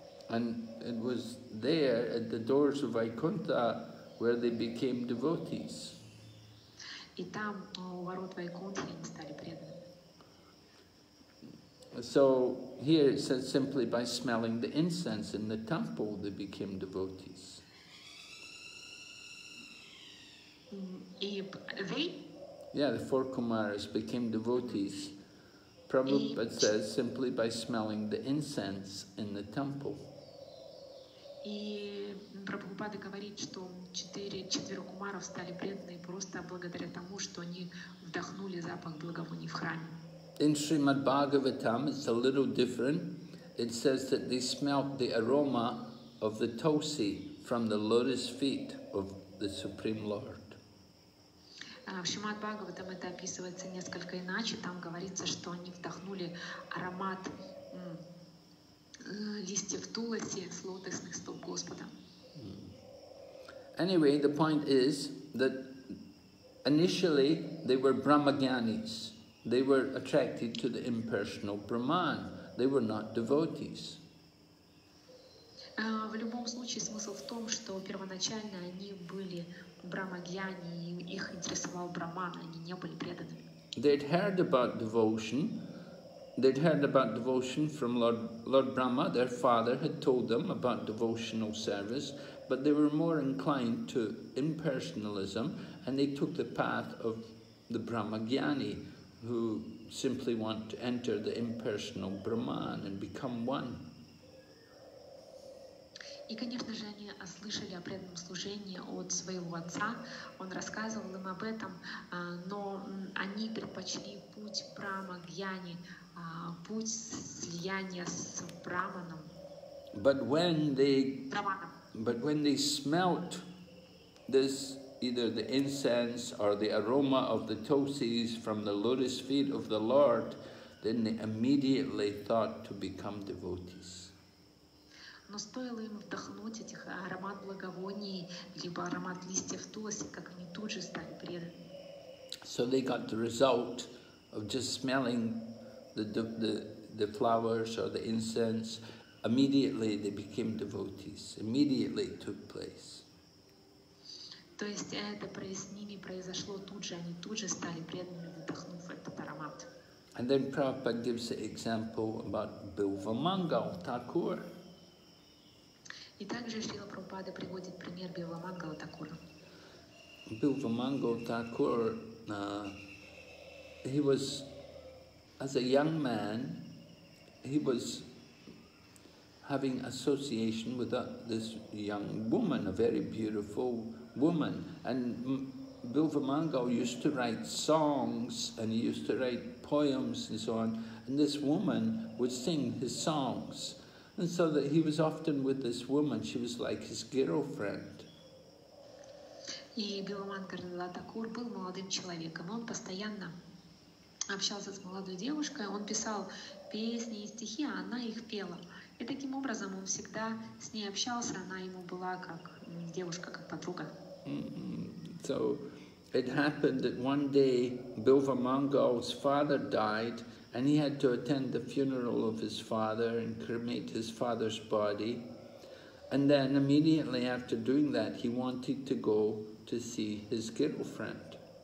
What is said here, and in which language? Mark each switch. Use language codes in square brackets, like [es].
[en] And it was there, at the doors of Vaikuntha, where they became devotees. [ru] И там, у ворот Вайкунтхи, они стали преданными. [en] So here it says simply by smelling the incense in the temple they became devotees. Yeah, the four Kumaras became devotees. Prabhupada says simply by smelling the incense in the temple. [ru] И Прабхупада говорит, что четверо кумаров стали преданы просто благодаря тому, что они вдохнули запах благовоний в храме. [en] In Srimad Bhagavatam, it's a little different. It says that they smelt the aroma of the Tulsi from the lotus feet of the Supreme Lord. [ru] В Шримад Бхагаватам это описывается несколько иначе. Там говорится, что они вдохнули аромат листьев туласи с лотосных стоп Господа. [en] Anyway, the point is that initially they were Brahmagyanis. They were attracted to the impersonal Brahman. They were not devotees. [ru] В любом случае, смысл в том, что первоначально они были Брахмагьяни, и их интересовал Брахман, они не были преданными. [en] They'd heard about devotion. They'd heard about devotion from Lord Brahma. Their father had told them about devotional service, but they were more inclined to impersonalism, and they took the path of the Brahmagyani, who simply want to enter the impersonal Brahman and become one. [ru] И, конечно же, они слышали о преданном служении от своего отца. Он рассказывал им об этом, но они предпочли путь Брахмагьяни, путь слияния с Брахманом. [en] But when they smelt this, either the incense or the aroma of the tosis from the lotus feet of the Lord, then they immediately thought to become devotees. [ru] Но стоило им вдохнуть этих аромат благовоний либо аромат листьев туласи, как они тут же стали преданными. [en] So they got the result of just smelling the flowers or the incense. Immediately they became devotees. Immediately it took place. [ru] То есть это с ними произошло тут же, они тут же стали преданными, вдохнув этот аромат. [en] And then Prabhupada gives the example about Bilva Mangal Thakur. [ru] И также Шрила Прабхупада приводит пример Билва Мангала Такура. [en] Билва Мангала Такур, he was, as a young man, he was having association with this young woman, a very beautiful woman. And Билва Мангала used to write songs, and he used to write poems and so on. And this woman would sing his songs. And so that he was often with this woman, she was like his girlfriend. [ru] И Биламангала Такур был молодым человеком. Он постоянно общался с молодой девушкой, он писал песни и стихи, а она их пела. И таким образом он всегда с ней общался, она ему была как девушка, как подруга. [en] So it happened that one day Bilva Mangal's father died. And he had to attend the funeral of his father and cremate his father's body. And then immediately after doing that, he wanted to go to see his girlfriend.